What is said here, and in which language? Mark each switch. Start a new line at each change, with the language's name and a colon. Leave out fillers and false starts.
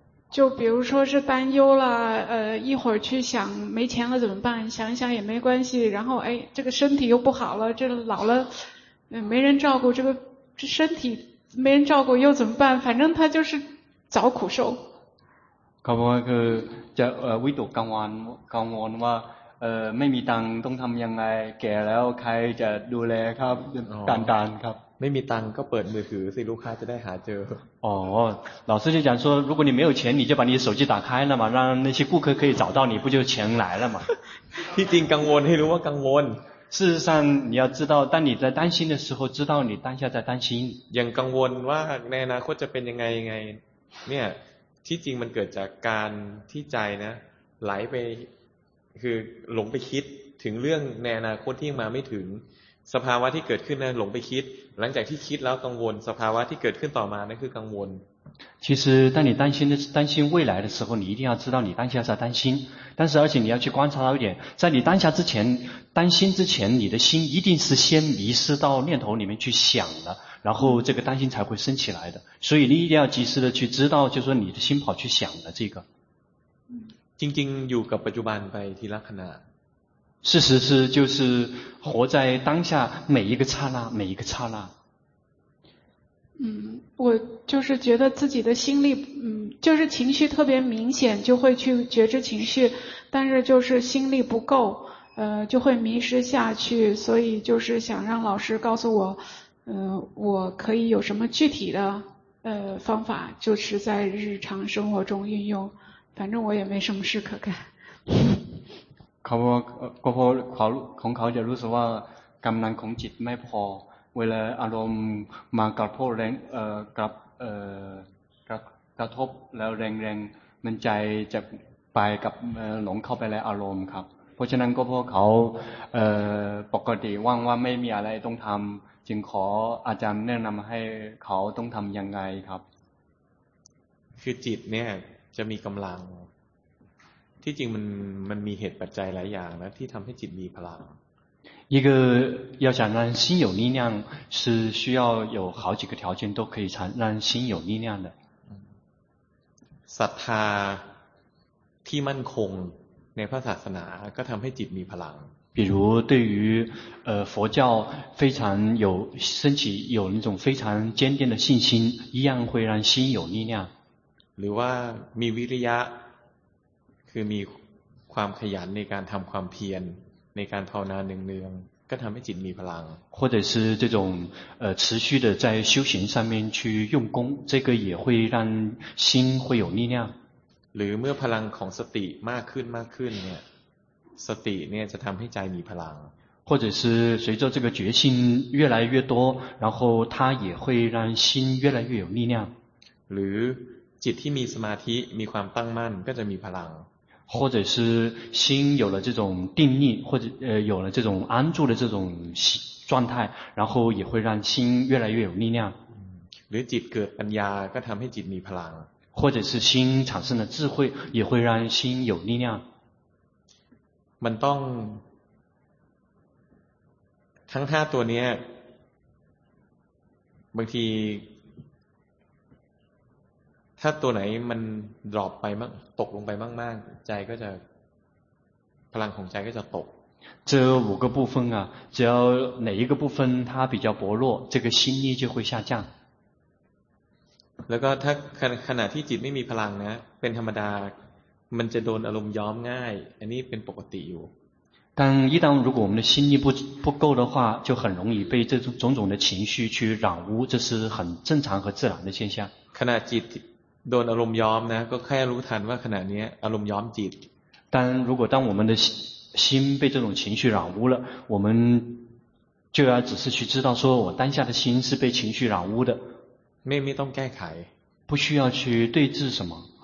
Chinese: 就比如说是担忧了，一会儿去想没钱了怎么办？想一想也没关系。然后哎，这个身体又不好了，这老了，没人照顾，这身体没人照顾又怎么办？反正他就是找苦受。
Thai: เขาบอกว่าคือจะวิตกกังวลว่าไม่มีตังต้องทำยังไงแก่แล้วใครจะดูแลครับการครับ ไม่มีตังก็เปิดมือถือสิลูกค้าจะได้หาเจออ๋
Chinese: อ老师就讲说如果你没有钱你就把你手机打开了嘛让那些顾客可以找到你不就钱来了嘛
Thai: ที่จริงกังวลให้รู้ว่ากังวล
Chinese: 事实上你要知道当你在担心的时候知道你当下在担心
Thai: ยังกังวลว่าในอนาคตจะเป็นยังไงเนี่ยที่จริงมันเกิดจากการที่ใจนะไหลไปคือหลงไปคิดถึงเรื่องในอนาคตที่มาไม่ถึงสภาวะที่เกิดขึ้นนะหลงไปคิดหลังจากที่คิดแล้วกังวลสภาวะที่เกิดขึ้นต่อมานั่นคือกังวล
Chinese: 其实当你担心未来的时候你一定要知道你当下在担心但是而且你要去观察到一点在你当下之前担心之前你的心一定是先迷失到念头里面去想了然后这个担心才会升起来的所以你一定要及时的去知道就是说你的心跑去想的这个
Thai: จริงๆอยู่กับปัจจุบันไปทีละขณะ
Chinese: 事实是就是活在当下每一个刹那每一个刹那我就是觉得自己的心力就是情绪特别明显就会去觉知情绪但是就是心力不够就会迷失下去所以就是想让老师告诉我我可以有什么具体的方法就是在日常生活中运用反正我也没什么事可干
Thai: เขาบอกว่าความของเขาจะรู้สึกว่ากำลังของจิตไม่พอเวลาอารมณ์มากระทบแรงกระทบแล้วแรงๆมันใจจะไปกับหลงเข้าไปในอารมณ์ครับเพราะฉะนั้นก็เพราะเขาปกติว่างว่าไม่มีอะไรต้องทำจึงขออาจารย์แนะนำให้เขาต้องทำยังไงครับ คือจิตเนี่ยจะมีกำลังที่จริงมันมีเหตุปัจจัยหลายอย่างนะที่ทำให้จิตมีพลัง
Chinese: 一个要想让心有力量是需要有好几个条件都可以让心有力量的
Thai: ศรัทธาที่มั่นคงในพระศาสนาก็ทำให้จิตมีพลัง
Chinese: 比如对于佛教非常有升起有那种非常坚定的信心一样会让心有力量
Thai: หรือว่ามีวิริยะคือมีความขยันในการทำความเพียรในการภาวนาเนืองๆก็ทำให้จิตมีพลัง
Chinese: 或者是这种持续的在修行上面去用功这个也会让心会有力量
Thai: หรือเมื่อพลังของสติมากขึ้นเนี่ยสติเนี่ยจะทำให้ใจมีพลัง
Chinese: 或者是随着这个决心越来越多然后它也会让心越来越有力量
Thai: หรือจิตที่มีสมาธิมีความตั้งมั่นก็จะมีพลัง
Chinese: 或者是心有了这种定力或者有了这种安住的这种状态然后也会让心越来越有力量
Thai: หรือจิตเกิดปัญญาก็ทำให้จิตมีพลัง
Chinese: 或者是心产生了智慧也会让心有力量
Thai: มันต้องทั้งห้าตัวนี้บางทีถ้าตัวไหนมันดรอปไปมากตกลงไปมากๆใจก็จะพลังของใจก็จะตก
Chinese: 这五个部分啊只要哪一个部分它比较薄弱这个心力就会下降
Thai: แล้วก็ถ้าขณะที่จิตไม่มีพลังนะเป็นธรรมดามันจะโดนอารมณ์ย้อมง่ายอันนี้เป็นปกติอยู่
Chinese: 但一旦如果我们的心力不够的话就很容易被这种种的情绪去染污这是很正常和自然的现象
Thai: ขณะจิตโดนอารมณ์ย้อมนะก็แค่รู้ทันว่าขณะนี้อารมณ์ย้อมจิต
Chinese: 但如果当我们的心被这种情绪染污了我们就要只是去知道说我当下的心是被情绪染污的
Thai: ไม่ต้องแก้ไข
Chinese: 不需要去对治什么